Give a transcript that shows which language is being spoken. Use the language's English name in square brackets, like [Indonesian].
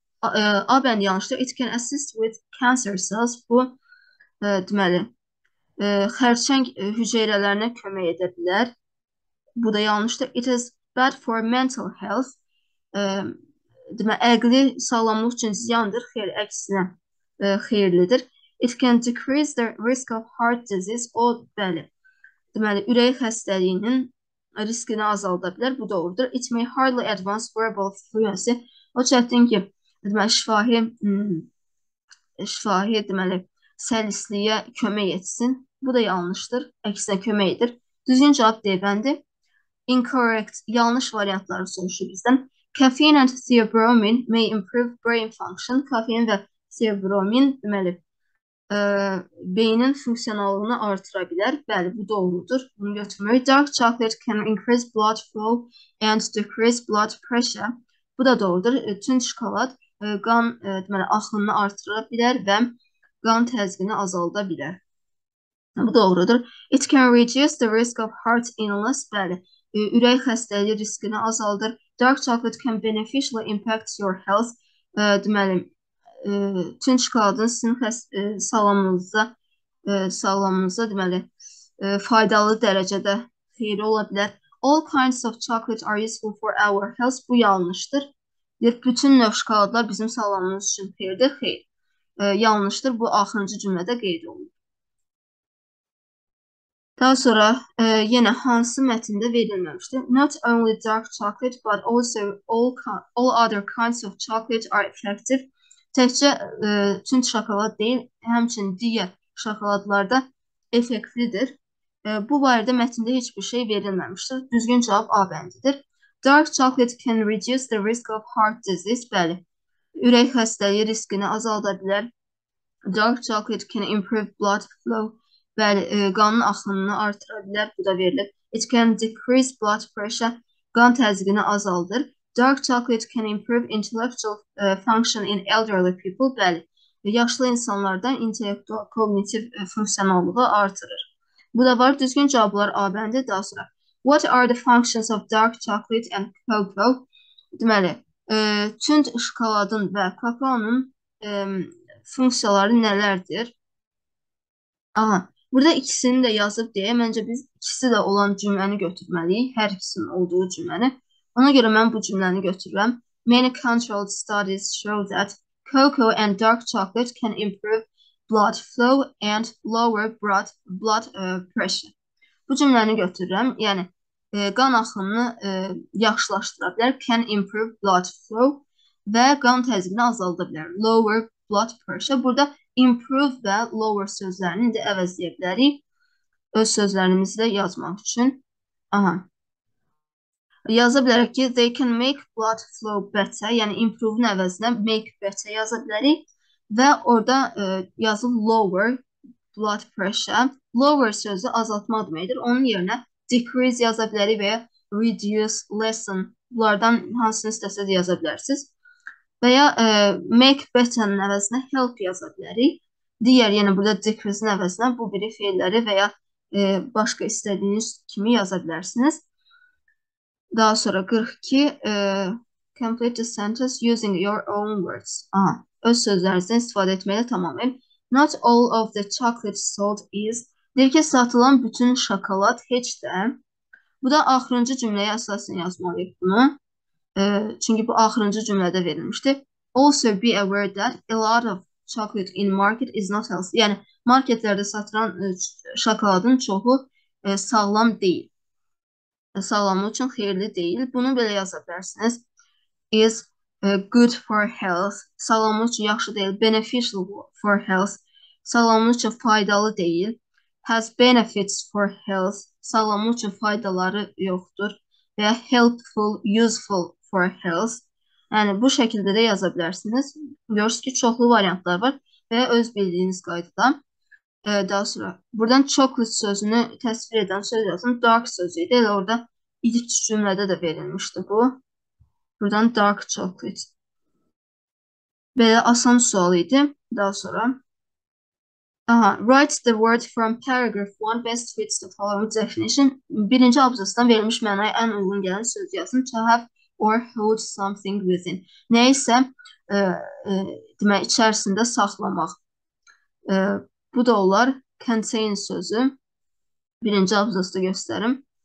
[Azerbaijani] A bəndi yanlışdır. [English] It can assist with cancer cells. [Azerbaijani] Bu, deməli, xərçəng hüceyrələrinə kömək edə bilər. Bu da yanlışdır. [English] It is bad for mental health. [Azerbaijani] Deməli, əqli sağlamlıq üçün ziyandır. Xeyr, əksinə xeyirlidir. [English] It can decrease the risk of heart disease. [Azerbaijani] O, bəli, deməli, ürək xəstəliyinin riskini azalda bilər. Bu doğrudur. [English] It may hardly advance verbal fluency. [Azerbaijani] O çətin ki, deməli, şifahi, deməli, səlisliyə kömək etsin. Bu da yanlışdır. Əksinə köməkdir. Düzgün cavab deyəndir. [English] Incorrect, [Azerbaijani] yanlış variantları soruşur bizdən. [English] Caffeine and theobromine may improve brain function. [Azerbaijani] Kafein və theobromine, deməli, beynin funksionallığını artıra bilər. Bəli, bu doğrudur. Bunu götürmək. [English] Dark chocolate can increase blood flow and decrease blood pressure. [Azerbaijani] Bu da doğrudur. Tünd şokolad qan deməli, axınını artıra bilər və qan təzyiqini azalda bilər. Bu doğrudur. [English] It can reduce the risk of heart illness. [Azerbaijani] Bəli, ürək xəstəliyi riskini azaldır. [English] Dark chocolate can beneficially impact your health. [Azerbaijani] Deməli, tünd şokoladın sizin sağlamınıza deməli, faydalı dərəcədə xeyri ola bilər. [English] All kinds of chocolate are useful for our health. [Azerbaijani] Bu yanlışdır. Bütün növ şokoladlar bizim sağlamımız üçün xeyirdir. Xeyir. Yanlışdır. Bu axırıncı cümlədə qeyd olunur. Daha sonra yenə hansı mətndə verilməmişdir? [English] Not only dark chocolate, but also all other kinds of chocolate are effective. [Azerbaijani] Təkcə tünd şokolad deyil, həmçinin digər şokoladlarda effektlidir. Bu barədə mətndə heç bir şey verilməmişdir. Düzgün cavab A bəndidir. [English] Dark chocolate can reduce the risk of heart disease. [Azerbaijani] Bəli, ürək xəstəliyi riskini azalda bilər. [English] Dark chocolate can improve blood flow. [Azerbaijani] Bəli, qanın axınını artıra bilər. Bu da verilib. [English] It can decrease blood pressure. [Azerbaijani] Qan təzyiqini azaldır. [English] Dark chocolate can improve intellectual function in elderly people. [Azerbaijani] Bəli, yaşlı insanlardan intellektual, kognitiv funksionallığı artırır. Bu da var. Düzgün cavablar A bəndi. Daha sonra. [English] What are the functions of dark chocolate and cocoa? [Azerbaijani] Deməli, tünd şokoladın və kakaonun funksiyaları nələrdir? Burada ikisini də yazıb deyə, məncə biz ikisi də olan cümləni götürməliyik, hər ikisinin olduğu cümləni. Ona göre mən bu cümləni götürürəm. [English] Many controlled studies show that cocoa and dark chocolate can improve blood flow and lower blood pressure. [Azerbaijani] Bu cümləni götürürəm. Yəni qan axınını yaxşılaşdıra bilər. [English] Can improve blood flow [Azerbaijani] və qan təzyiqini azalda bilər. [English] Lower blood pressure. [Azerbaijani] Burada improve və lower sözlərini de əvəzləyə bilərik. Öz sözlərimizi de yazmaq üçün. Aha. Yaza bilərik ki, [English] they can make blood flow better. [Azerbaijani] Yəni, improve'un əvəzinə make better yaza bilərik. Və orada yazı [English] lower blood pressure. [Azerbaijani] Lower sözü azaltma deməkdir. Onun yerinə decrease yaza bilərik və ya reduce, lessen. Bunlardan hansını istəsə də yaza bilərsiniz. Və ya make better'ın əvəzinə help yaza bilərik. Digər, yəni burada decrease'ın əvəzinə bu biri feilləri və ya başqa istədiyiniz kimi yaza bilərsiniz. Daha sonra [English] 42 complete the sentence using your own words. [Azerbaijani] Aha, öz sözlərinizdən istifadə etməklə tamamlayın. [English] Not all of the chocolate sold is. [Azerbaijani] Deyir ki, satılan bütün şokolad heç də. Bu da axırıncı cümləyə əsasən yazmalıyıq bunu. Çünki bu axırıncı cümlədə verilmişdi. [English] Also be aware that a lot of chocolate in market is not healthy. [Azerbaijani] Yəni marketlərdə satılan şokoladın çoxu sağlam deyil. Sağlamlıq üçün xeyirli deyil. Bunu belə yaza bilərsiniz. [English] Is good for health. [Azerbaijani] Sağlamlıq üçün yaxşı deyil. [English] Beneficial for health. [Azerbaijani] Sağlamlıq üçün faydalı deyil. [English] Has benefits for health. [Azerbaijani] Sağlamlıq üçün faydaları yoxdur. Və [English] helpful, useful for health. [Azerbaijani] Yəni bu şəkildə də yaza bilərsiniz. Görürsünüz ki, çoxlu variantlar var. Və öz bildiyiniz qaydada. Daha sonra buradan chocolate sözünü təsvir edən söz yazın. Dark sözüydü. Elə orada ilk cümlədə də verilmişdi bu. Buradan dark chocolate. Belə asan sual idi. Daha sonra. [English] Aha, write the word from paragraph 1 best fits the following definition. [Azerbaijani] Birinci abzasından verilmiş mənaya ən uyğun gələn söz yazın. [English] To have or hold something within. [Azerbaijani] Neyse, demək içərisində saxlamaq. Bu da olar contain sözü. Birinci abzası da göstərim.